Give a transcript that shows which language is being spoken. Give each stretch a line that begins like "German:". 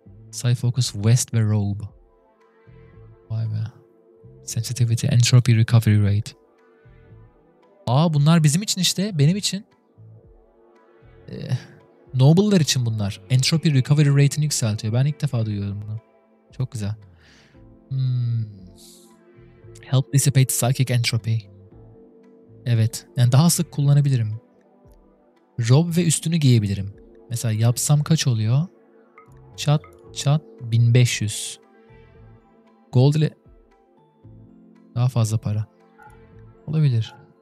English: Side focus vest ve robe.
Turkish: Vay be.
English: Sensitivity, entropy, recovery rate.
Turkish: Aa bunlar bizim için işte. Benim için. Noble'lar için bunlar. Entropy recovery rate'ini yükseltiyor. Ben ilk defa duyuyorum bunu. Çok güzel.
English: Help dissipate psychic entropy.
Turkish: Evet. Yani daha sık kullanabilirim. Rob ve üstünü giyebilirim. Mesela yapsam kaç oluyor? Çat çat 1500. Gold ile daha fazla para. Olabilir.